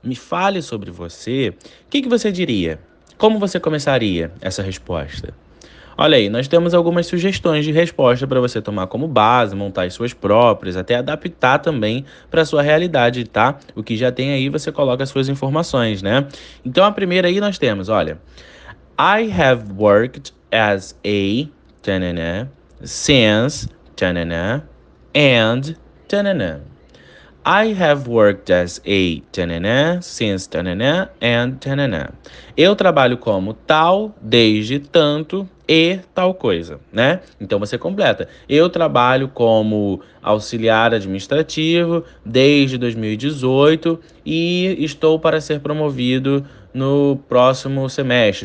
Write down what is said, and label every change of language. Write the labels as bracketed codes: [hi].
[pt] Me fale sobre você. O que que você diria? Como você começaria essa resposta? Olha aí, nós temos algumas sugestões de resposta para você tomar como base, montar as suas próprias, até adaptar também para a sua realidade, tá? O que já tem aí, você coloca as suas informações, né? Então, a primeira aí nós temos, olha. [en] I have worked as a tanana, since tanana, and tanana. I have worked as a tanana, since tanana, and tanana. [pt] Eu trabalho como tal, desde tanto e tal coisa, né? Então você completa. Eu trabalho como auxiliar administrativo desde 2018 e estou para ser promovido no próximo semestre.